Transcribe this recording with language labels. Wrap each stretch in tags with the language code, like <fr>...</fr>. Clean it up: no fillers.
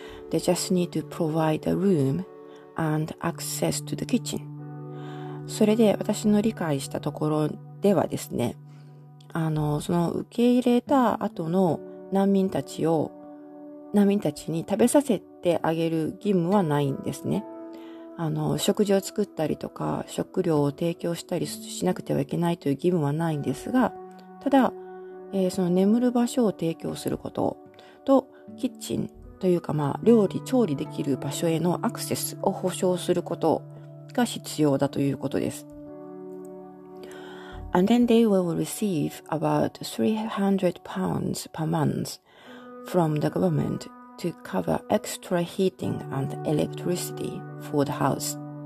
<en>They just need to provide a room and access to the kitchen.</en> <ja>それで私の理解したところではですね、その受け入れた後の難民たちに食べさせてあげる義務はないんですね。食事を作ったりとか、食料を提供したりしなくてはいけないという義務はないんですが、ただ、その眠る場所を提供することと、キッチンというか、まあ、調理できる場所へのアクセスを保障することが必要だということです。</ja> <en>And then they will receive about £300 per month from the government to cover extra heating and electricity for the house.</en>